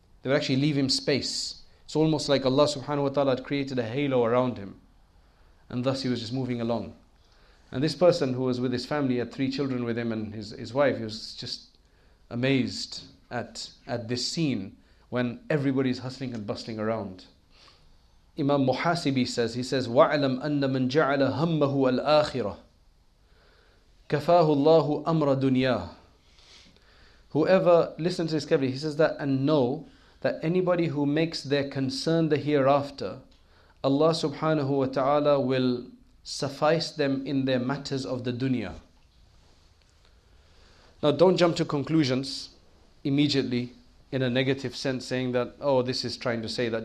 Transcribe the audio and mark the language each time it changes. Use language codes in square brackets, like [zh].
[en] They would actually leave him space. It's almost like Allah subhanahu wa ta'ala had created a halo around him. And thus he was just moving along. And this person who was with his family, he had 3 children with him and his wife, he was just amazed at this scene when everybody's hustling and bustling around. Imam Muhasibi says, he says, [ar] وَعْلَمْ أَنَّ مَنْ جَعَلَ هَمَّهُ الْآخِرَةِ كَفَاهُ اللَّهُ أَمْرَ دُنْيَاهُ. [en] Whoever, listen to this carefully, he says that, and know that anybody who makes their concern the hereafter, Allah subhanahu wa ta'ala will suffice them in their matters of the dunya. Now don't jump to conclusions immediately in a negative sense, saying that, oh, this is trying to say that.